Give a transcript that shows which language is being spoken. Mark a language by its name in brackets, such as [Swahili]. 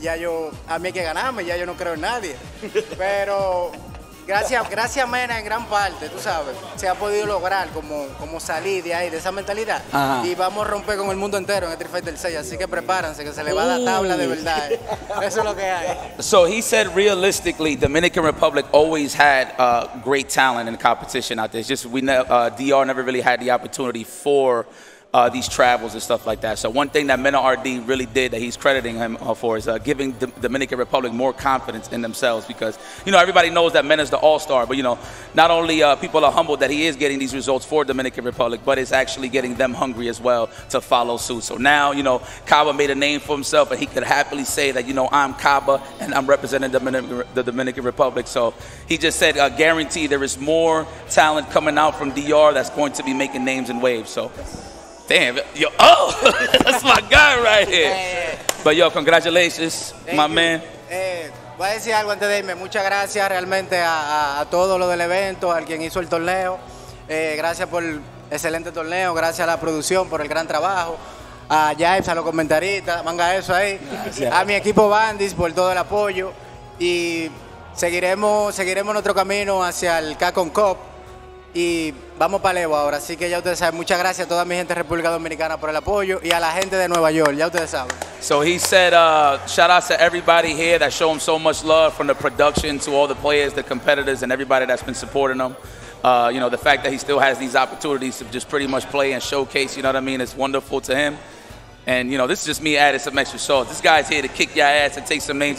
[Spanish] Ya yo, a mí hay que ganarme, ya yo no creo en nadie. Pero gracias a Mena en gran parte, tú sabes, se ha podido lograr como salir de ahí, de esa mentalidad. Ajá. Y vamos a romper con el mundo entero en el Street Fighter 6, así que prepárense, que se le va a la tabla de verdad. Eso es lo que hay. [English] So he said realistically, Dominican Republic always had great talent in the competition out there. It's just DR never really had the opportunity for these travels and stuff like that. So one thing that MenaRD really did that he's crediting him for is giving the Dominican Republic more confidence in themselves, because, you know, everybody knows that Mena's the all-star, but, you know, not only people are humbled that he is getting these results for Dominican Republic, but it's actually getting them hungry as well to follow suit. So now, you know, Caba made a name for himself, and he could happily say that, you know, I'm Caba and I'm representing the Dominican Republic. So he just said, guarantee there is more talent coming out from DR that's going to be making names and waves. So. Damn, yo, oh, that's my guy right here. But yo, congratulations, [Spanish] man. Voy a decir algo antes de irme. Muchas gracias realmente a todo lo del evento, al quien hizo el torneo. Gracias por el excelente torneo. Gracias a la producción por el gran trabajo. A YIPES, a los comentaristas, manga eso ahí. Gracias. A mi equipo Bandits por todo el apoyo. Y seguiremos nuestro camino hacia el CACON Cup. Y vamos para Levo ahora, así que ya ustedes saben, muchas gracias a toda mi gente de República Dominicana por el apoyo y a la gente de Nueva York, ya ustedes saben. [English] So he said, shout out to everybody here that show him so much love, from the production to all the players, the competitors, and everybody that's been supporting him. You know, the fact that he still has these opportunities to just pretty much play and showcase, you know what I mean, it's wonderful to him. And, you know, this is just me adding some extra sauce. This guy's here to kick your ass and take some names.